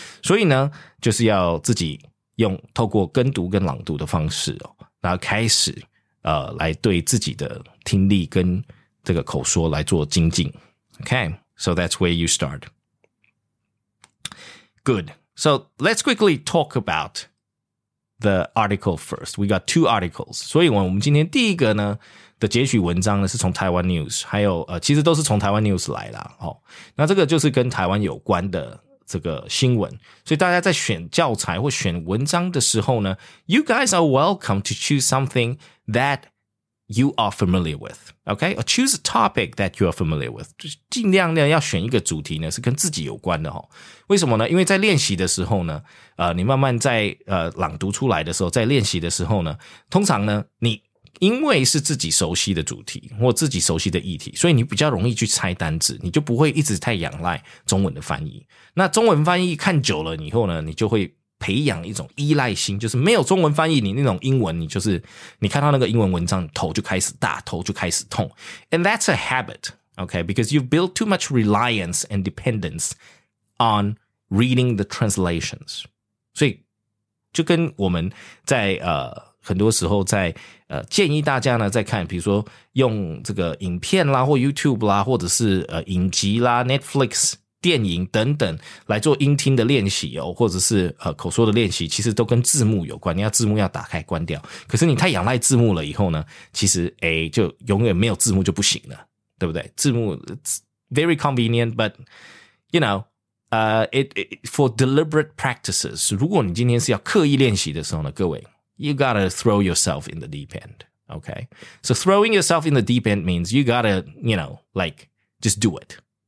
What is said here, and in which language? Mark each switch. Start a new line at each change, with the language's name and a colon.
Chinese: 所以呢，就是要自己用透过跟读跟朗读的方式哦，然后开始来对自己的听力跟这个口说来做精进 ，
English: Okay, so that's where you start. Good. So let's quickly talk about the article first. We got two articles.
Chinese: 所以我们今天第一个呢的截取文章呢是从台湾 news, 还有其实都是从台湾 news 来啦、哦。那这个就是跟台湾有关的这个新闻。所以大家在选教材或选文章的时候呢
English: ,you guys are welcome to choose something that you are familiar with. Okay? Or choose a topic that you are familiar with.
Chinese: 尽量呢要选一个主题呢是跟自己有关的齁、哦。为什么呢因为在练习的时候呢你慢慢在朗读出来的时候在练习的时候呢通常呢你因为是自己熟悉的主题或自己熟悉的议题所以你比较容易去猜单字你就不会一直太仰赖中文的翻译。那中文翻译看久了以后呢你就会培养一种依赖心就是没有中文翻译你那种英文你就是你看到那个英文文章头就开始大头就开始痛
English: And that's a habit, okay? Because you've built too much reliance and dependence on reading the translations.
Chinese: 所以就跟我们在很多时候在建议大家呢在看比如说用这个影片啦或 YouTube 啦或者是影集啦 Netflix,电影等等来做音听的练习哦，或者是口说的练习，其实都跟字幕有关。你要字幕要打开关掉，可是你太仰赖字幕了以后呢，其实哎，就永远没有字幕就不行了，对不对？
English: 字幕 very convenient, but you know, it for deliberate practices.
Chinese: 如果你今天是要刻意练习的时候呢，各位 ，
English: you gotta throw yourself in the deep end. Okay, so throwing yourself in the deep end means you gotta you know like just do it.